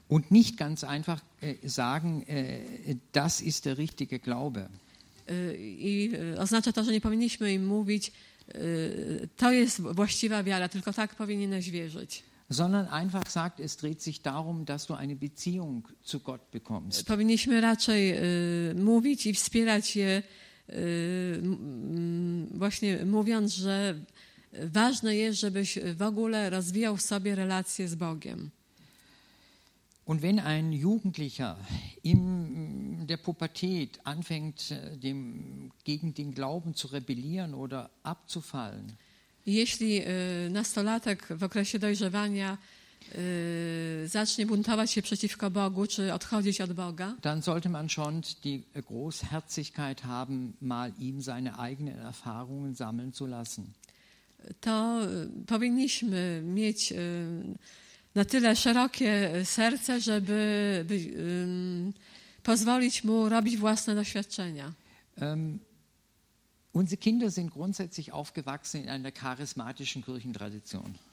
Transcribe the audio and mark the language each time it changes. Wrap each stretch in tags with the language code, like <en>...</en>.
<de>Und nicht ganz einfach sagen, das ist der richtige Glaube.</de> <pl>I oznacza to, że nie powinniśmy im mówić, to jest właściwa wiara, tylko tak powinieneś wierzyć.</pl> <de>Sondern einfach sagt, es dreht sich darum, dass du eine Beziehung zu Gott bekommst.</de> <pl>Powinniśmy raczej mówić i wspierać je, właśnie mówiąc, że ważne jest, żebyś w ogóle rozwijał w sobie relacje z Bogiem.</pl> <de>Und wenn ein Jugendlicher in der Pubertät anfängt, gegen den Glauben zu rebellieren oder abzufallen,</de> <pl>jeśli nastolatek w okresie dojrzewania zacznie buntować się przeciwko Bogu, czy odchodzić od Boga,</pl> <de>dann sollte man schon die Großherzigkeit haben, mal ihm seine eigenen Erfahrungen sammeln zu lassen.</de> <pl>To powinniśmy mieć na tyle szerokie serce, żeby pozwolić mu robić własne doświadczenia.</pl> <de>Unsere Kinder sind grundsätzlich aufgewachsen in einer charismatischen Kirchentradition.</de>